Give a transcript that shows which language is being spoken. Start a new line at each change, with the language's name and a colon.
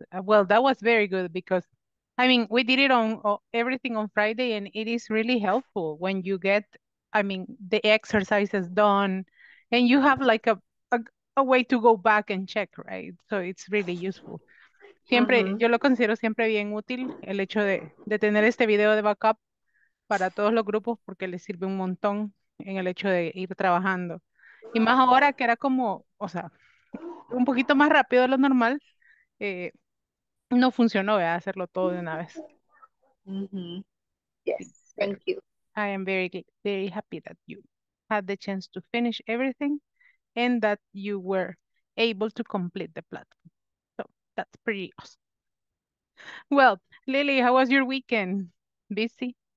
English: Well, that was very good because, I mean, we did it on everything on Friday, and it is really helpful when you get, I mean, the exercises done and you have like a way to go back and check, right? So it's really useful.
Spanish: Siempre, yo lo considero siempre bien útil el hecho de tener este video de backup para todos los grupos porque les sirve un montón en el hecho de ir trabajando. Y más ahora que era como, o sea, un poquito más rápido de lo normal, no funcionó, ¿verdad? Hacerlo todo de una vez.
English: Yes,
Spanish: Sí, pero
English: thank you. I am very, very happy that you had the chance to finish everything and that you were able to complete the platform. That's pretty awesome. Well, Lily, how was your weekend? Busy?